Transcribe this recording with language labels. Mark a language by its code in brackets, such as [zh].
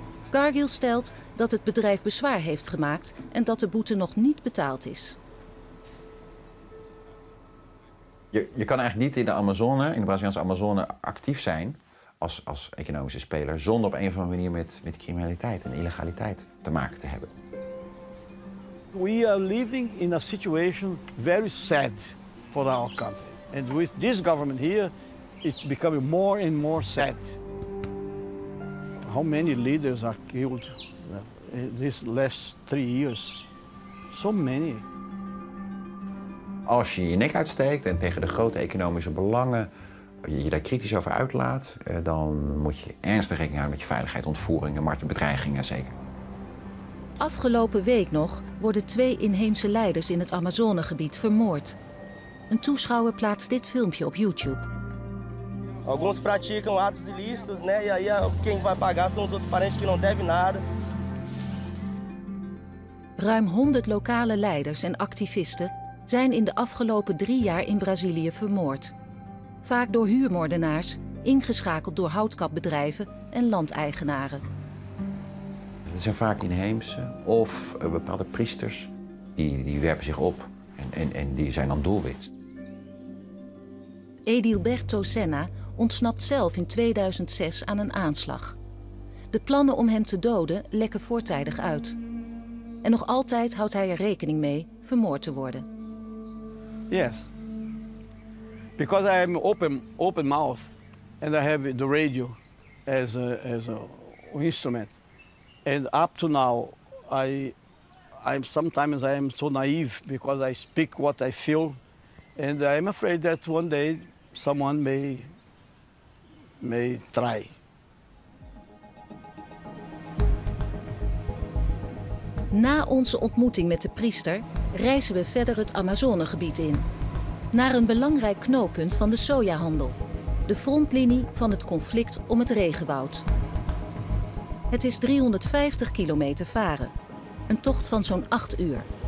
[nl] Cargill stelt dat het bedrijf bezwaar heeft gemaakt en dat de boete nog niet betaald is. Je kan eigenlijk niet in de Amazone, in de Braziliaanse Amazone, actief zijn als economische speler zonder op een of andere manier met criminaliteit en illegaliteit te maken te hebben. [en] We are living in a situation very sad for our country. And with this government here, it's becoming more and more sad. How many leaders are killed in these last 3 years? So many. [nl] Als je je nek uitsteekt en tegen de grote economische belangen je daar kritisch over uitlaat, dan moet je ernstig rekening houden met je veiligheid, ontvoeringen, marktbedreigingen zeker. Afgelopen week nog worden twee inheemse leiders in het Amazonegebied vermoord. Een toeschouwer plaatst dit filmpje op YouTube. [pt] Alguns praticam atos ilícitos, né? E aí quem vai pagar são os outros parentes que não devem nada. [nl] Ruim 100 lokale leiders en activisten zijn in de afgelopen 3 jaar in Brazilië vermoord. Vaak door huurmoordenaars, ingeschakeld door houtkapbedrijven en landeigenaren. Het zijn vaak inheemse of bepaalde priesters. Die werpen zich op en die zijn dan doelwit. Edilberto Senna ontsnapt zelf in 2006 aan een aanslag. De plannen om hem te doden lekken voortijdig uit. En nog altijd houdt hij er rekening mee vermoord te worden. [en] Yes, because I have open mouth and I have the radio as a instrument. And up to now, I am sometimes so naive because I speak what I feel, and I am afraid that one day someone may try. [nl] Na onze ontmoeting met de priester reizen we verder het Amazonegebied in. Naar een belangrijk knooppunt van de sojahandel. De frontlinie van het conflict om het regenwoud. Het is 350 kilometer varen. Een tocht van zo'n 8 uur.